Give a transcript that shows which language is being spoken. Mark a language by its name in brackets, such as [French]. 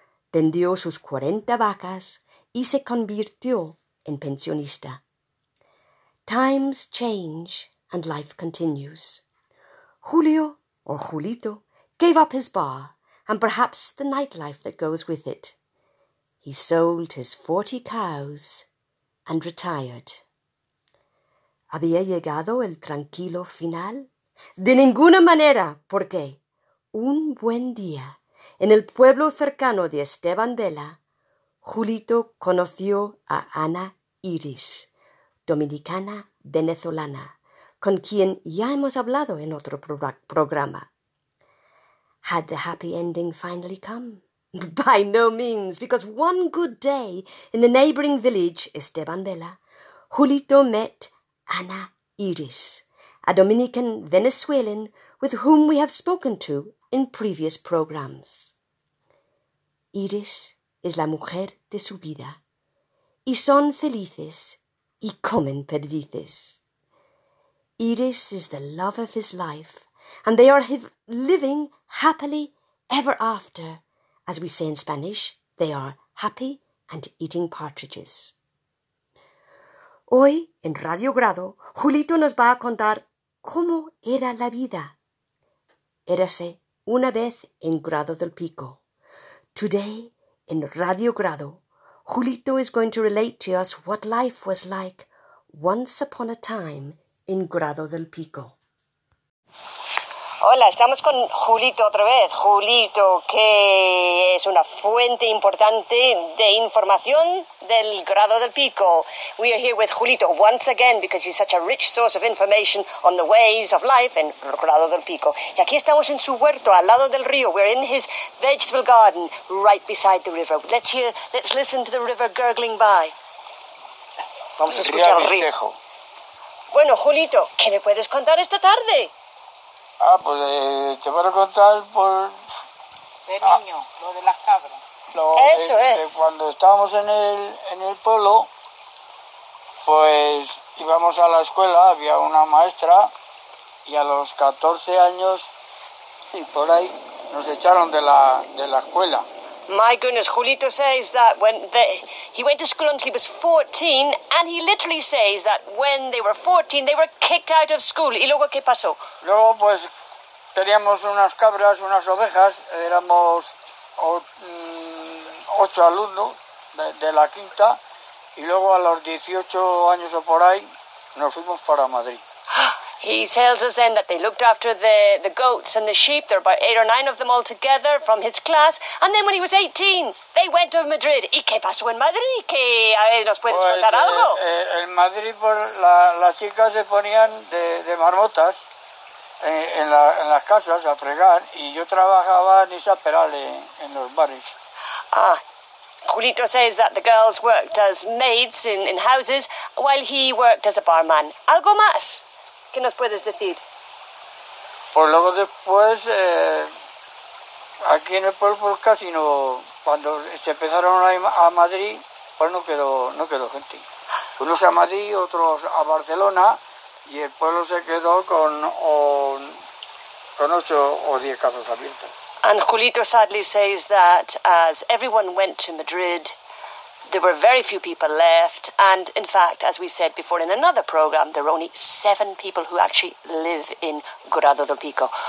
[Spanish] Tendió sus 40 vacas y se convirtió en pensionista. [English] Times change and life continues. Julio, or Julito, gave up his bar and perhaps the nightlife that goes with it. He sold his 40 cows and retired. [Spanish] ¿Había llegado el tranquilo final? De ninguna manera, porque un buen día, en el pueblo cercano de Esteban Vela, Julito conoció a Ana Iris, dominicana venezolana, con quien ya hemos hablado en otro programa. [English] Had the happy ending finally come? By no means, because one good day in the neighbouring village, Esteban Bella, Julito met Ana Iris, a Dominican Venezuelan with whom we have spoken to in previous programmes. [Spanish] Iris es la mujer de su vida, y son felices y comen perdices. [English] Iris is the love of his life, and they are living happily ever after. As we say in Spanish, they are happy and eating partridges. [Spanish] Hoy, en Radio Grado, Julito nos va a contar cómo era la vida. Érase una vez en Grado del Pico. [English] Today, in Radio Grado, Julito is going to relate to us what life was like once upon a time in Grado del Pico. [Spanish] Hola, estamos con Julito otra vez. Julito, que es una fuente importante de información del Grado del Pico. [English] We are here with Julito once again because he's such a rich source of information on the ways of life in Grado del Pico. [Spanish] Y aquí estamos en su huerto, al lado del río. [English] We're in his vegetable garden, right beside the river. Let's listen to the river gurgling by. [Spanish] Vamos a escuchar el río. Bueno, Julito, ¿qué me puedes contar esta tarde? Ah, pues te voy a contar por... De niño, lo de las cabras. Eso es. Cuando estábamos en el pueblo, pues íbamos a la escuela, había una maestra, y a los 14 años, y por ahí, nos echaron de la escuela. [English] My goodness, Julito says that when he went to school until he was 14, and he literally says that when they were 14, they were kicked out of school. [Spanish] ¿Y luego qué pasó? Luego, pues, teníamos unas cabras, unas ovejas. Éramos 8 alumnos de la quinta. Y luego, a los 18 años o por ahí, nos fuimos para Madrid. [English] He tells us then that they looked after the goats and the sheep. There were about 8 or 9 of them all together from his class. And then when he was 18, they went to Madrid. [Spanish] ¿Y qué pasó en Madrid? ¿Qué nos puedes contar algo? En Madrid, pues, las chicas se ponían de marmotas en las casas a fregar. Y yo trabajaba en esa peral en los bares. [English] Ah, Julito says that the girls worked as maids in houses while he worked as a barman. [Spanish] ¿Algo más? ¿Qué nos puedes decir? Pues luego después, aquí en el pueblo casi no, cuando se empezaron a Madrid, pues no quedó gente. Unos a Madrid, otros a Barcelona, y el pueblo se quedó con 8 o 10 casas abiertas. [English] And Julito sadly says that as everyone went to Madrid, there were very few people left, and in fact, as we said before in another program, there are only 7 people who actually live in Grado del Pico.